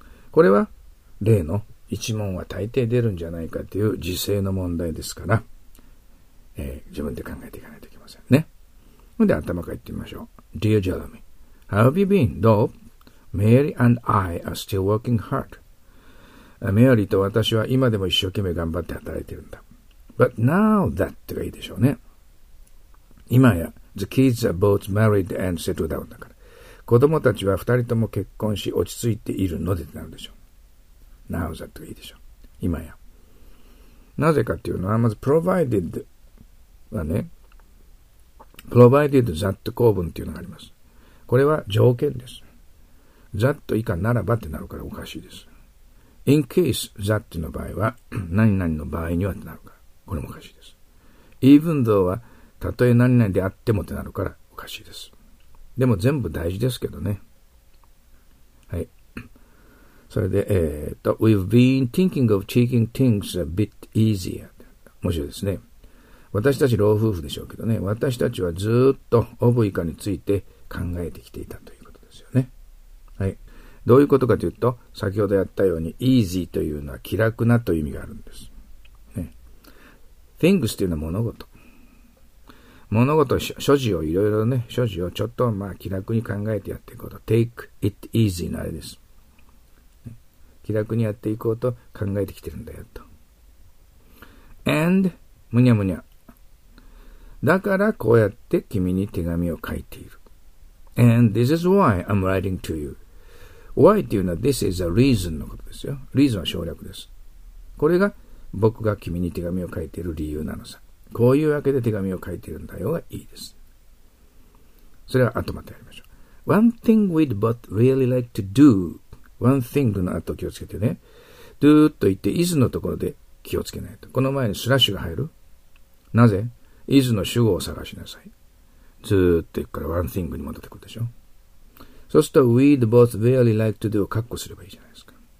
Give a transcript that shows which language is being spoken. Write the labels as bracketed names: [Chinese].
[Japanese] これは例の一問は大抵出るんじゃないかっていう時制の問題ですから、自分で考えていかないといけませんね。で、頭からいってみましょう。 [English] Dear Jeremy, how have you been? Though Mary and I are still working hard. [Japanese] メアリーと私は今でも一生懸命頑張って働いてるんだ。 But now that がいいでしょうね。 [English] 今や、 the kids are both married and settled down だから。 [Japanese] 子供たちは二人とも結婚し落ち着いているのでってなるでしょう。 Now that がいいでしょう。今や。なぜかっていうのは、まず provided はね、provided that 構文っていうのがあります。これは条件です。that 以下ならばってなるからおかしいです。 In case that の場合は、何々の場合にはってなるから、これもおかしいです。 Even though は、たとえ何々であってもってなるから、おかしいです。でも全部大事ですけどね。はい。 [English] それで、 We've been thinking of taking things a bit easier. [Japanese] 面白いですね。私たち老夫婦でしょうけどね、私たちはずっとオブイカについて考えてきていたということですよね。はい。どういうことかというと、先ほどやったように、easy というのは気楽なという意味があるんです。ね、things というのは物事。物事、所持をいろいろね、所持をちょっとまあ気楽に考えてやっていこうと。 take it easy のあれです。気楽にやっていこうと考えてきてるんだよと。and, むにゃむにゃ。だからこうやって君に手紙を書いている。 [English] and this is why I'm writing to you. [Japanese] why っていうのは this is a reason のことですよ。reason は省略です。これが僕が君に手紙を書いている理由なのさ。こういうわけで手紙を書いているんだよがいいです。それは後またやりましょう。 [English] One thing we'd both really like to do. [Japanese] One thing の後気をつけてね。 do と言って is のところで気をつけないと。この前にスラッシュが入る。なぜ is の主語を探しなさい。ずーっと行くから one thing に戻ってくるでしょ。そうすると we'd both really like to do をカッコすればいいじゃないですか。